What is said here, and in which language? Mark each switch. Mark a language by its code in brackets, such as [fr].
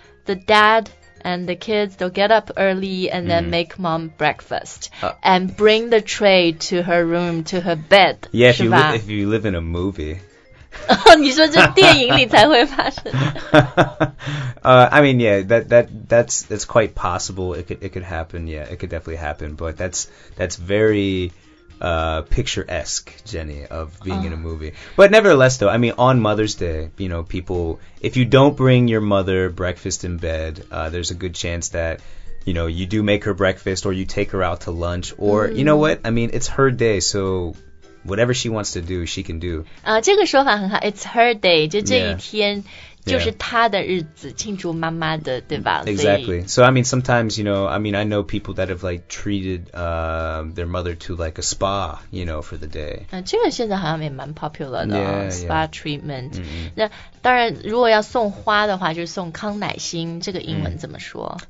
[en] the dad and the kids, they'll get up early and then make mom breakfast and bring the tray to her room, to her bed. Yeah, if you live in a movie. [zh] 你说这电影里才会发生 [en] 的。I mean, yeah, that's quite possible. It could happen. Yeah, it could definitely happen. But that's very... picturesque, Jenny, of being in a movie. But nevertheless, though, I mean, on Mother's Day, you know, people, if you don't bring your mother breakfast in bed, there's a good chance that, you know, you do make her breakfast or you take her out to lunch or, you know what? I mean, it's her day, so... Whatever she wants to do, she can do. [zh] 这个说法很好。 [en] It's her day, [zh] 就这一天就是她的日子，庆祝妈妈的，对吧？ [en] Exactly. So, I mean, sometimes, you know, I mean, I know people that have, like, treated their mother to, like, a spa, you know, for the day. [zh] 这个现在好像也蛮 popular 的spa treatment. 那当然，如果要送花的话，就是送康乃馨，这个英文怎么说？